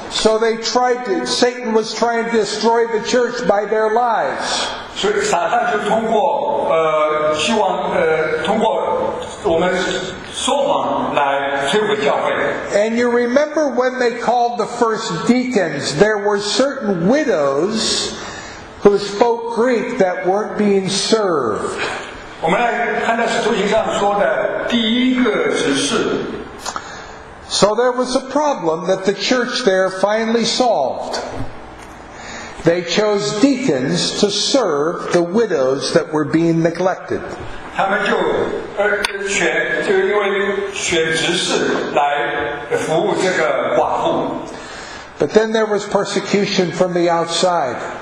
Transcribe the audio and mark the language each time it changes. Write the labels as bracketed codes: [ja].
[en] So they tried to, Satan was trying to destroy the church by their lies. [zh] 所以撒旦就通过希望通过我们说谎来摧毁教会。 [en] And you remember when they called the first deacons, there were certain widows who spoke Greek that weren't being served. [zh] 我们来看到《使徒行传》说的第一个执事。 [en] So there was a problem that the church there finally solved. They chose deacons to serve the widows that were being neglected. [zh] 他们就因为选执事来服务这个寡妇。 [en] But then there was persecution from the outside.